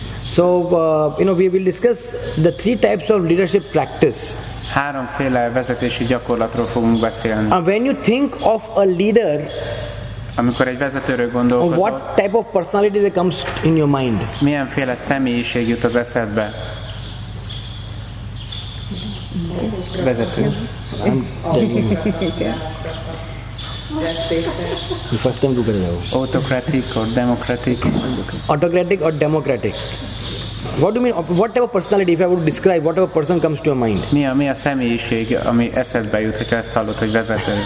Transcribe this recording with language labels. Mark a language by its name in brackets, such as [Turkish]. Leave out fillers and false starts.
[English] So you know, we will discuss the three types of leadership practice. [Hungarian] Három féle vezetési gyakorlatról fogunk beszélni. [English] When you think of a leader, [Hungarian] amikor egy vezetőről gondolkozol, [English] what type of personality that comes in your mind? [Hungarian] Milyen féle személyiség jut az eszedbe? Vezető. [English] First time to get it. Autocratic or democratic? Autocratic or democratic? What do you mean? What type of personality? If I would describe, what type of person comes to your mind? [Hungarian] Mi a személyiség, ami eszedbe jut, hogy ezt hallod, hogy vezető?